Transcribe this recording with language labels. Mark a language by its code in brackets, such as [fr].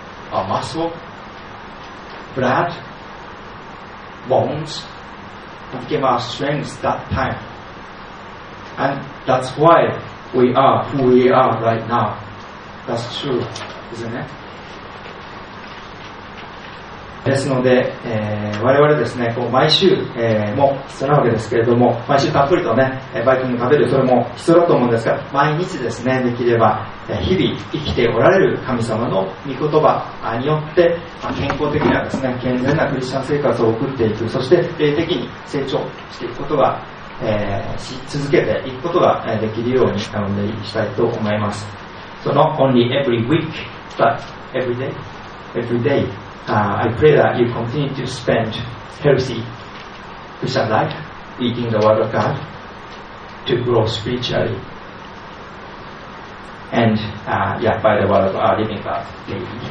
[en] Our muscle, blood, bones, and give our strength that time. And that's why we are who we are right now. That's true, isn't it? [ja] ですので、我々ですね、こう毎週、もう必要なわけですけれども、毎週たっぷりとね、バイキング食べる、それも必要だと思うんですが、毎日ですね、できれば日々生きておられる神様の御言葉によって、健康的なですね、健全なクリスチャン生活を送っていく、そして霊的に成長していくことが、し続けていくことができるようにお願いしたいと思います。 [en] So not only every week but every day, every day、I pray that you continue to spend healthy Christian life eating the word of God to grow spiritually and、yeah, by the word of our living God daily, daily.